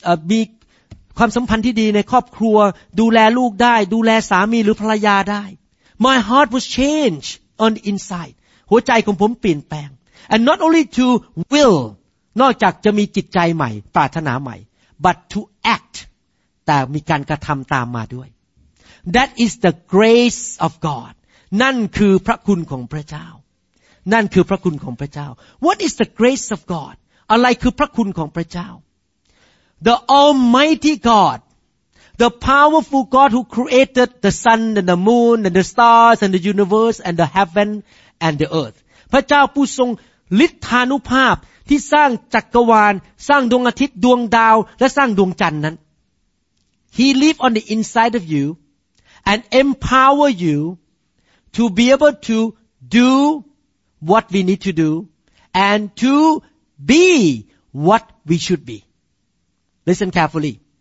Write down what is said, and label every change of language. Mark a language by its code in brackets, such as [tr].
[th] มีความสัมพันธ์ที่ดีในครอบครัวดูแลลูกได้ดูแลสามีหรือภรรยาได้ [en] My heart was changed on the inside [th] หัวใจของผมเปลี่ยนแปลง [en] and not only to will [th] นอกจากจะมีจิตใจใหม่ปรารถนาใหม่ [en] but to act [th] แต่มีการกระทำตามมาด้วย [en] That is the grace of God [th] นั่นคือพระคุณของพระเจ้านั่นคือพระคุณของพระเจ้า [en] What is the grace of God? [th] อะไรคือพระคุณของพระเจ้า [en] The Almighty God, the powerful God who created the sun and the moon and the stars and the universe and the heaven and the earth. [th] พระเจ้าผู้ทรงฤทธานุภาพ ที่สร้างจักรวาลสร้างดวงอาทิตย์ดวงดาวและสร้างดวงจันทร์นั้น [en] He live on the inside of you and empower you to be able to do what we need to do and to be what we should be Listen carefully